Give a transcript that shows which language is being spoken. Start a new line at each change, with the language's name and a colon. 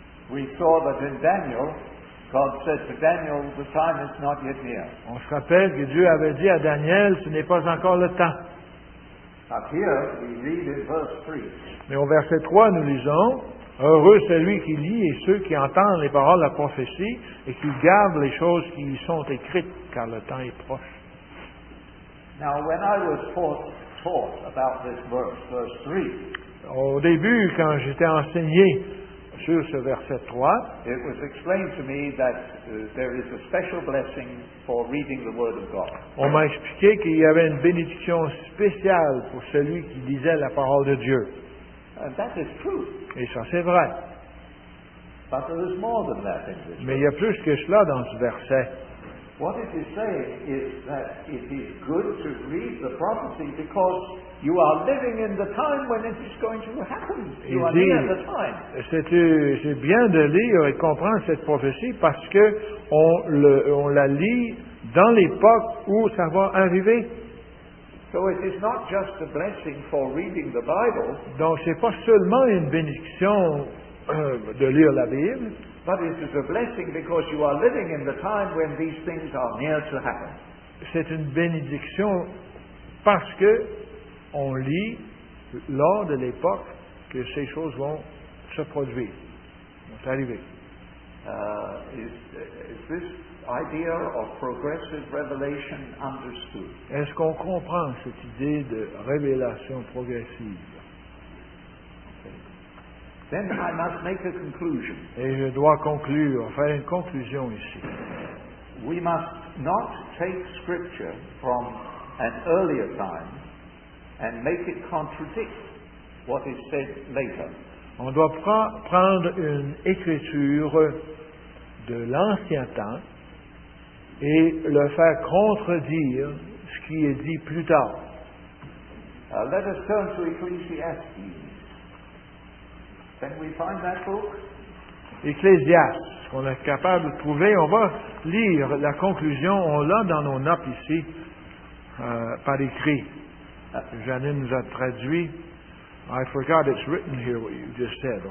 English: We saw that in Daniel, God said to Daniel, the time is not yet near.
French: On se rappelle que Dieu avait dit à Daniel, ce n'est pas encore le temps.
English: Up here, we read in verse 3.
French: Mais au verset 3, nous lisons, « Heureux celui qui lit et ceux qui entendent les paroles de la prophétie et qui gardent les choses qui y sont écrites, car le temps est proche. »
English: Now, when I was first taught about this verse, verse 3,
French: au début, quand j'étais enseigné sur ce verset 3,
English: it was explained to me that there is a special blessing for reading the Word of God.
French: On m'a expliqué qu'il y avait une bénédiction spéciale pour celui qui lisait la parole de Dieu.
English: And that is true.
French: Et ça, c'est vrai.
English: But there is more than that in this
French: Mais il y a plus que cela dans ce verset.
English: What it is saying is that it is good to read the prophecy because you are living in the time when it is going to happen. You are
French: dit,
English: living in the time.
French: C'est bien de lire et comprendre cette prophétie parce que on la lit dans l'époque où ça va arriver.
English: So it is not just a blessing for reading the Bible.
French: Donc c'est pas seulement une bénédiction de lire la Bible.
English: But it is a blessing because you are living in the time when these things are near to happen.
French: C'est une bénédiction parce que on lit lors de l'époque que ces choses vont se produire, vont arriver.
English: Is this idea of progressive revelation understood?
French: Est-ce qu'on comprend cette idée de révélation progressive?
English: Then I must make a conclusion.
French: Et je dois conclure, faire une conclusion ici.
English: We must not take scripture from an earlier time and make it contradict what is said later.
French: On doit prendre une écriture de l'ancien temps et le faire contredire ce qui est dit plus tard.
English: Let us turn to Ecclesiastes. Can we find that book?
French: Ecclésiaste, ce qu'on est capable de trouver, on va lire la conclusion, on l'a dans nos notes ici, par écrit. Janine nous a traduit.
English: I forgot it's written here what you just said.